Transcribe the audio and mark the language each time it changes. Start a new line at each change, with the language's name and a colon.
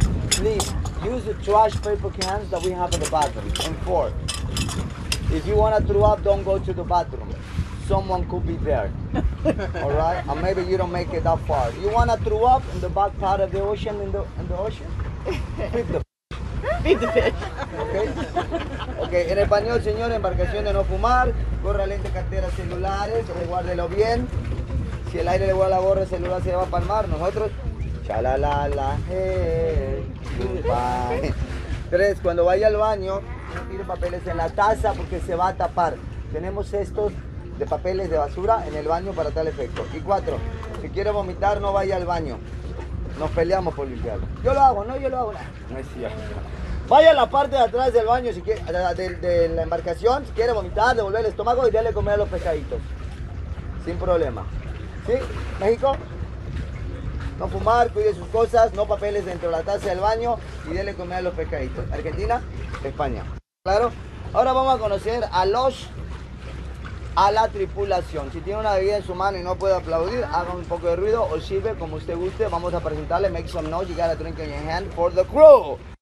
English: Please, use the trash paper cans that we have in the bathroom. And four, if you want to throw up, don't go to the bathroom. Someone could be there, all right? Or maybe you don't make it that far. You want to throw up in the back part of the ocean, in the ocean? Feed the fish. Feed the fish. Okay?
Spanish: Okay, en español, señor, embarcación de no fumar, gorra, lente, cartera, celulares, guárdelo bien. Si el aire le vuela la gorra, el celular se va a palmar. Nosotros, cha-la-la-la,
English: hey, goodbye.
Spanish: Tres, cuando vaya al baño, no tire papeles en la taza porque se va a tapar. Tenemos estos de papeles de basura en el baño para tal efecto. Y cuatro, si quiere vomitar, no vaya al baño. Nos peleamos por limpiarlo. Yo lo hago, no, yo lo hago. No es cierto. Vaya a la parte de atrás del baño, si quiere, de la embarcación, si quiere vomitar, devolver el estómago y darle comer a los pescaditos. Sin problema. ¿Sí, México? No fumar, cuide sus cosas, no papeles dentro de la taza del baño y dele comer a los pescaditos. Argentina, España. ¿Claro? Ahora vamos a conocer a los... a la tripulación. Si tiene una bebida en su mano y no puede aplaudir, haga un poco de ruido o sirve como usted guste. Vamos a presentarle.
English: Make some noise. You got a drink in your hand for the crew.